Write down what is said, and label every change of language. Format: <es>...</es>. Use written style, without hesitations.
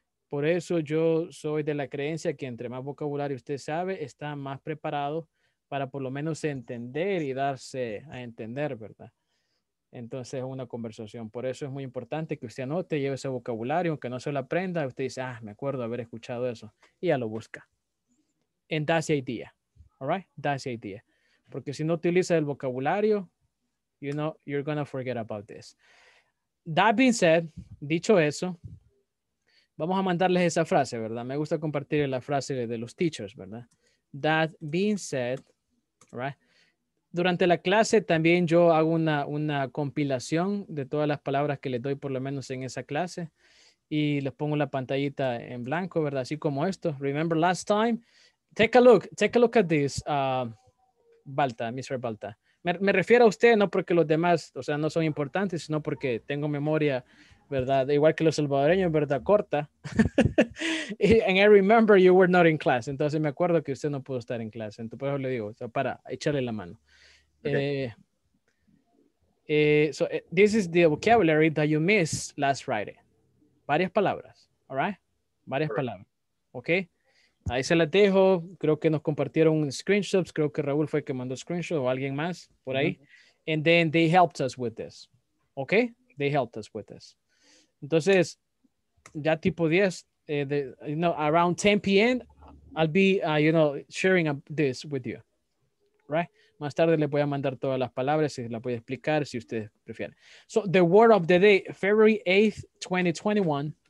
<es>Por eso yo soy de la creencia que entre más vocabulario usted sabe, está más preparado para por lo menos entender y darse a entender, ¿verdad? Entonces es una conversación. Por eso es muy importante que usted anote, lleve ese vocabulario, aunque no se lo aprenda, usted dice, ah, me acuerdo haber escuchado eso. Y ya lo busca.</es> <en>And that's the idea. All right? That's the idea.</en> <es>Porque si no utiliza el vocabulario,</es> <en>you know, you're going to forget about this. That being said,</en> <es>dicho eso, vamos a mandarles esa frase, ¿verdad? Me gusta compartir la frase de los teachers, ¿verdad?</es> <en>That being said, right?</en> <es>Durante la clase también yo hago una compilación de todas las palabras que les doy por lo menos en esa clase y les pongo la pantallita en blanco, ¿verdad? Así como esto.</es> <en>Remember last time? Take a look at this, Balta, Mr. Balta.</en> <es>Me refiero a usted, no porque los demás, o sea, no son importantes, sino porque tengo memoria, ¿verdad? Igual que los salvadoreños, ¿verdad? Corta.</es> <en>And I remember you were not in class.</en> <es>Entonces me acuerdo que usted no pudo estar en clase. Entonces por eso le digo, so para echarle la mano.</es> <en>Okay. So this is the vocabulary that you missed last Friday.</en> <es>Varias palabras, all right? Varias all palabras, right. Okay? Ahí se las dejo. Creo que nos compartieron screenshots. Creo que Raúl fue el que mandó screenshot o alguien más por ahí.</es> <en>Mm-hmm. And then they helped us with this. Okay? They helped us with this.</en> <es>Entonces, ya tipo 10,</es> <en>you know, around 10 p.m., I'll be, you know, sharing this with you, right?</en> <es>Más tarde les voy a mandar todas las palabras y las voy a explicar si ustedes prefieren.</es> <en>So, the word of the day, February 8th, 2021.</en>